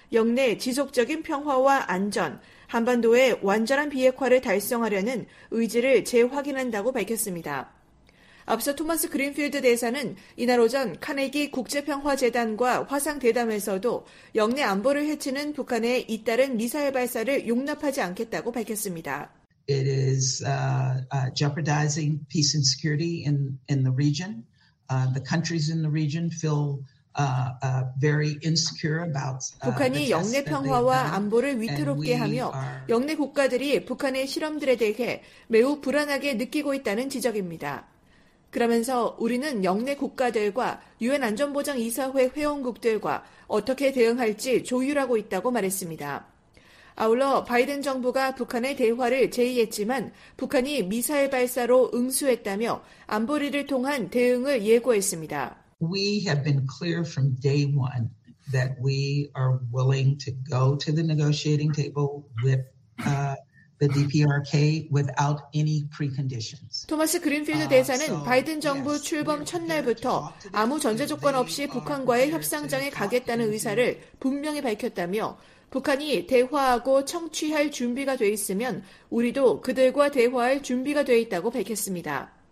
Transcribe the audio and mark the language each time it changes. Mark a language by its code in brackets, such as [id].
[ko] 역내 지속적인 평화와 안전, 한반도의 완전한 비핵화를 달성하려는 의지를 재확인한다고 밝혔습니다. 앞서 토마스 그린필드 대사는 이날 오전 카네기 국제평화재단과 화상대담에서도 역내 안보를 해치는 북한의 잇따른 미사일 발사를 용납하지 않겠다고 밝혔습니다. [en] It is jeopardizing peace and security in the region. The countries in the region feel very insecure about [ko] 북한이 영내 평화와 안보를 위태롭게 하며 영내 국가들이 북한의 실험들에 대해 매우 불안하게 느끼고 있다는 지적입니다. 그러면서 우리는 영내 국가들과 유엔 안전보장 이사회 회원국들과 어떻게 대응할지 조율하고 있다고 말했습니다. 아울러 바이든 정부가 북한의 대화를 제의했지만 북한이 미사일 발사로 응수했다며 안보리를 통한 대응을 예고했습니다. [en] We have been clear from day one that we are willing to go to the negotiating table with the DPRK without any preconditions. [ko] 토마스 그린필드 대사는 바이든 정부 출범 첫날부터 아무 전제 조건 없이 북한과의 협상장에 가겠다는 의사를 분명히 밝혔다며 북한이 대화하고 청취할 준비가 돼 있으면 우리도 그들과 대화할 준비가 돼 있다고 밝혔습니다.